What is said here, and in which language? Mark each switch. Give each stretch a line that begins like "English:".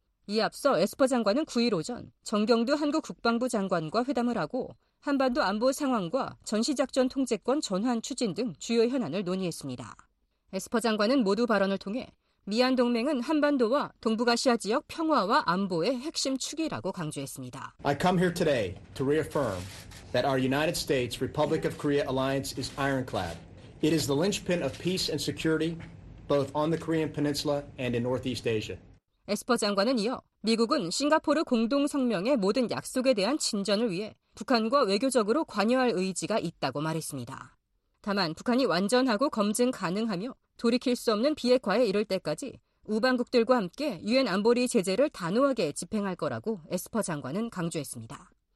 Korean: 이에 앞서 에스퍼 장관은 9일 오전 정경두 한국 국방부 장관과 회담을 하고 한반도 안보 상황과 전시작전 통제권 전환 추진 등 주요 현안을 논의했습니다. 에스퍼 장관은 모두 발언을 통해 미얀 동맹은 한반도와 동북아시아 지역 평화와 안보의 핵심 축이라고 강조했습니다.
English: I come here today to reaffirm that our United States Republic of Korea alliance is ironclad. It is the linchpin of peace and security both on the Korean Peninsula and in Northeast Asia.
Korean: 에스퍼 장관은 이어 미국은 싱가포르 공동 성명의 모든 약속에 대한 진전을 위해 북한과 외교적으로 관여할 의지가 있다고 말했습니다. 다만 북한이 완전하고 검증 가능하며 돌이킬 수 없는 비핵화에 이를 때까지 우방국들과 함께 유엔 안보리 제재를 단호하게 집행할 거라고 에스퍼 장관은 강조했습니다.